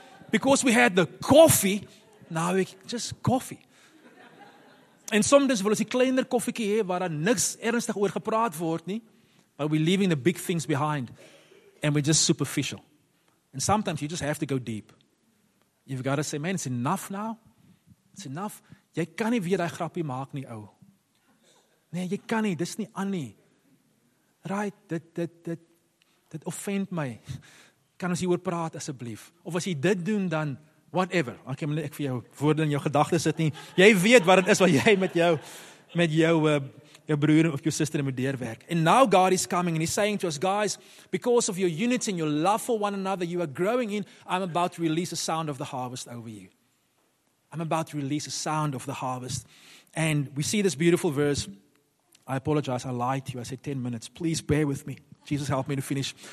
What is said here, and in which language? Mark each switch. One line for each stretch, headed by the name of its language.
English: Because we had the coffee, now we just coffee.
Afrikaans: En soms wil ons 'n kleiner koffietjie hê waar daar niks ernstig oor gepraat word nie.
English: But we're leaving the big things behind and we're just superficial. And sometimes you just have to go deep. You've got to say, man, it's enough now. It's enough.
Afrikaans: Jy kan nie weer daai grappie maak nie, ou. Nee, jy kan nie. Dis nie aan nie. Right, dit offend my. Kan ons hieroor praat asseblief? Of as jy dit doen dan whatever. Okay, maar ek vir jou woorde in jou gedagtes sit nie. Jy weet wat dit is wat jy met jou broer of jou suster moet deurwerk.
English: And now God is coming and he's saying to us, guys, because of your unity and your love for one another, you are growing in, I'm about to release a sound of the harvest over you. I'm about to release a sound of the harvest. And we see this beautiful verse. I apologize, I lied to you. I said 10 minutes. Please bear with me. Jesus, help me to finish.